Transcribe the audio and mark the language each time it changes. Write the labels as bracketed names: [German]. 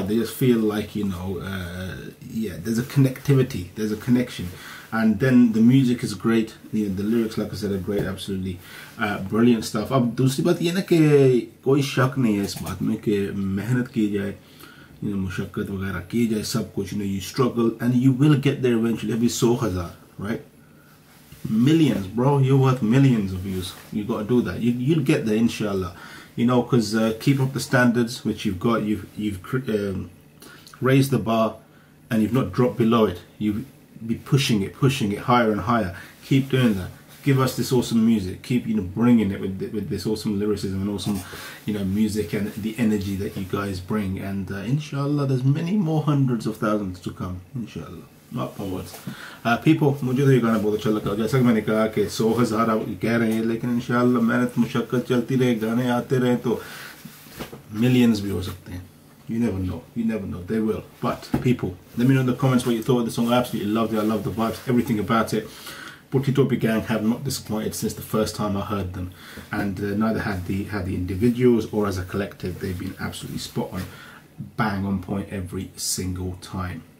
[English] They just feel like, you know, there's a connectivity, there's a connection. And then the music is great. You know, the lyrics, like I said, are great. Absolutely brilliant stuff. [Urdu] اب دوسری بات یہ نا کے کوئی شک نہیں ہے اس بات میں کے محنت کی جائے۔ [English] You know, [Urdu] مشقت وغیرہ کی جائے، سب کچھ۔ [English] You know, you struggle and you will get there eventually. Abhi 100,000, right? Millions, bro. You're worth millions of views. You got to do that. You'll get there, inshallah. You know, because keep up the standards which you've got. You've raised the bar and you've not dropped below it. You've be pushing it higher and higher. Keep doing that. Give us this awesome music. Keep, you know, bringing it with this awesome lyricism and awesome, you know, music and the energy that you guys bring. And inshallah, there's many more hundreds of thousands to come. Inshallah. Not forwards. People, [Urdu] مجھے تو یہ گانا بہت اچھا لگا۔ جیسا کی میں نے کہا کے 100,000 کہہ رہے ہیں، لیکن انشاءاللہ محنت مشقت چلتی رہے، گانے آتے رہیں، تو ملینز بھی ہو سکتے ہیں۔ [English] You never know. They will. But people, let me know in the comments what you thought of the song. I absolutely loved it. I love the vibes, everything about it. Puthi Topi gang have not disappointed since the first time I heard them, and neither had the individuals or as a collective. They've been absolutely spot on, bang on point every single time.